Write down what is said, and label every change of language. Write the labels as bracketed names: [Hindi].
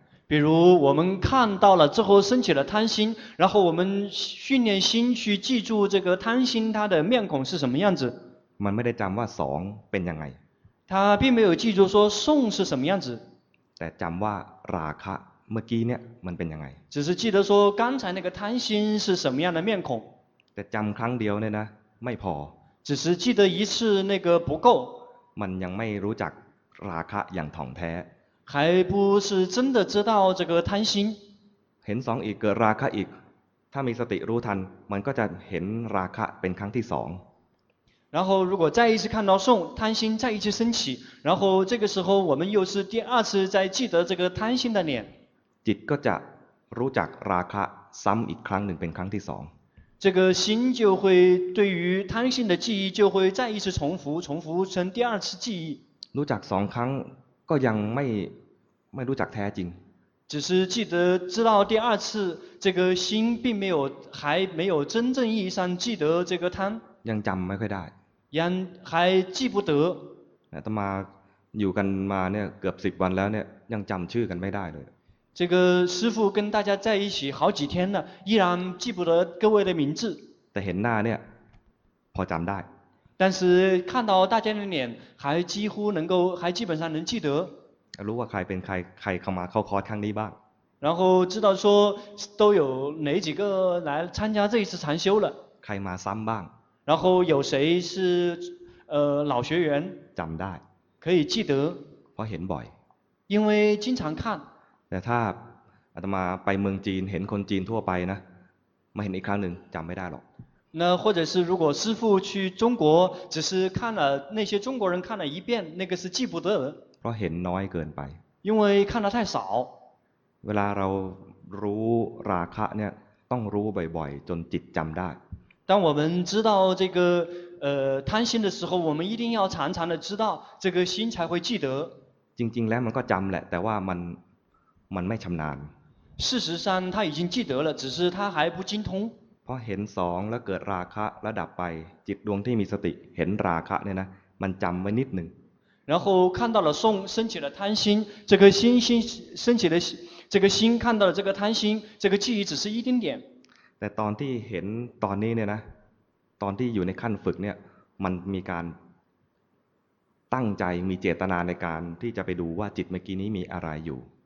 [Chinese] 比如我们看到了之后升起了贪心然后我们训练心去记住这个贪心它的面孔是什么样子 [Thai] มันไม่ได้จำว่าสองเป็นยังไง [Chinese] 他并没有记住说送是什么样子 [Thai] แต่จำว่าราคะเมื่อกี้เนี่ยมันเป็นยังไง [Chinese] 只是记得说刚才那个贪心是什么样的面孔 [Thai] แต่จำครั้งเดียวเนี่ยนะไม่พอ [Chinese] 只是记得一次那个不够 [Thai] มันยังไม่รู้จักราคะอย่างถ่องแท้ [Chinese] 还不是真的知道这个贪心 [Thai] เห็นสองอีกเกิดราคะอีกถ้ามีสติรู้ทันมันก็จะเห็นราคะเป็นครั้งที่สอง [Chinese] 然后如果再一次看到送贪心再一次升起然后这个时候我们又是第二次再记得这个贪心的脸 [Thai] จิตก็จะรู้จักราคะซ้ำอีกครั้งหนึ่งเป็นครั้งที่สอง [Chinese] 这个心就会对于贪心的记忆就会再一次重复，重复成第二次记忆。 [Thai] รู้จักสองครั้งก็ยังไม่รู้จักแท้จริง。 [Chinese] 只是记得知道第二次，这个心并没有还没有真正意义上记得这个贪。 [Thai] ยังจำไม่ค่อยได้ [Chinese] 。 ยัง还记不得。 [Thai] นะต่อมาอยู่กันมาเนี่ยเกือบสิบวันแล้วเนี่ยยังจำชื่อกันไม่ได้เลย。 [Chinese] 这个师父跟大家在一起好几天了，依然记不得各位的名字。 [Thai] แต่เห็นหน้าเนี่ยพอจำได้。 [Chinese] 但是看到大家的脸，还几乎能够，还基本上能记得。 [Thai] รู้ว่าใครเป็นใครใครเข้ามาเข้าคอร์สครั้งนี้บ้าง。 [Chinese] 然后知道说都有哪几个来参加这一次禅修了。 [Thai] ใครมาซ้ำบ้าง。 [Chinese] 然后有谁是老学员？ [Thai] จำได้ [Chinese] 。 可以记得。 [Thai] เพราะเห็นบ่อย。 [Chinese] 因为经常看。 [Thai] แต่ถ้าอาตมาไปเมืองจีนเห็นคนจีนทั่วไปนะมาเห็นอีกครั้งหนึ่งจำไม่ได้หรอก。 [Chinese] 那或者是如果师父去中国，只是看了那些中国人看了一遍，那个是记不得。 [Thai] เพราะเห็นน้อยเกินไป。 [Chinese] 因为看了太少。 [Thai] เวลาเรารู้ราคะเนี่ยต้องรู้บ่อยๆจนจิตจำได้。 [Chinese] 当我们知道这个贪心的时候，我们一定要常常的知道，这个心才会记得。 [Thai] จริงๆแล้วมันก็จำแหละแต่ว่ามันไม่ชำนาญ。 [Chinese] 事实上他已经记得了，只是他还不精通。 [Thai] พอเห็นสองแล้วเกิดราคะแล้วดับไปจิตดวงที่มีสติเห็นราคะเนี่ยนะมันจำไว้นิดหนึ่ง [Chinese] 然后看到了送升起了贪心这个心心升起了这个心看到了这个贪心这个记忆只是一丁点 [Thai] แต่ตอนที่เห็นตอนนี้เนี่ยนะตอนที่อยู่ในขั้นฝึกเนี่ยมันมีการตั้งใจมีเจตนาในการที่จะไปดูว่าจิตเมื่อกี้นี้มีอะไรอยู่